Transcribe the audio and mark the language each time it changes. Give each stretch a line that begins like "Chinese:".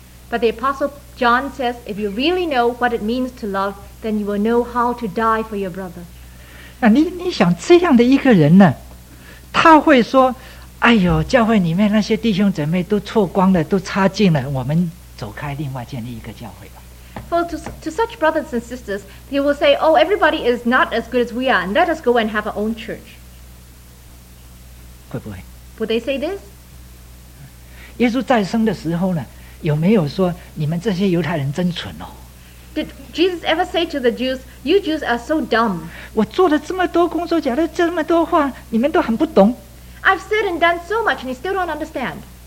English: But the Apostle John says, if you really know what it means to love, then you will know how to die for your brother.
Chinese: 你想这样的一个人呢，他会说：“哎呦，教会里面那些弟兄姊妹都错光了，都差劲了，我们走开，另外建立一个教会吧。”
English: Well, to such brothers and sisters, he will say, "Oh, everybody is not as good as we are, and let us go and have our own church."
Chinese: 会不会
English: ？Would they say this?
Chinese: 耶稣再生的时候呢，有没有说你们这些犹太人真蠢哦？
English: Did Jesus ever say to the Jews, "You Jews are so dumb"?
Chinese: 我做了这么多工作，讲了这么多话，你们都很不懂。
English: I've said and done so much, and you still don't understand.